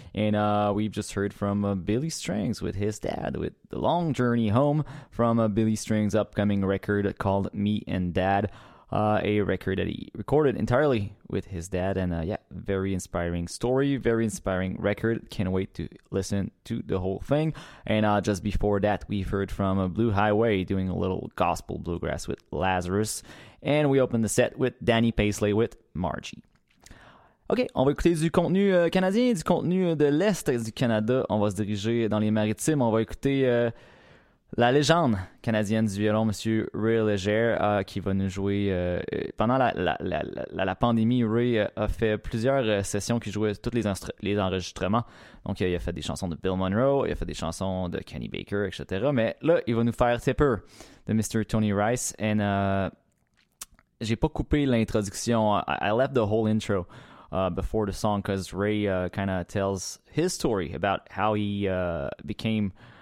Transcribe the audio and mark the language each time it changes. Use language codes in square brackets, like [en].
[en] And we've just heard from Billy Strings with his dad, with The Long Journey Home, from Billy Strings' upcoming record called Me and Dad, a record that he recorded entirely with his dad. And yeah, very inspiring story, very inspiring record. Can't wait to listen to the whole thing. And just before that, we've heard from Blue Highway doing a little gospel bluegrass with Lazarus. And we opened the set with Danny Paisley with Margie. [fr] OK, on va écouter du contenu canadien, du contenu de l'Est du Canada. On va se diriger dans les Maritimes. On va écouter la légende canadienne du violon, M. Ray Leger, qui va nous jouer... pendant la pandémie, Ray a fait plusieurs sessions qui jouaient tous les enregistrements. Donc, il a fait des chansons de Bill Monroe, il a fait des chansons de Kenny Baker, etc. Mais là, il va nous faire Tipper de Mr. Tony Rice. [en] And [fr] j'ai pas coupé l'introduction. [en] I left the whole intro before the song because Ray kind of tells his story about how he became...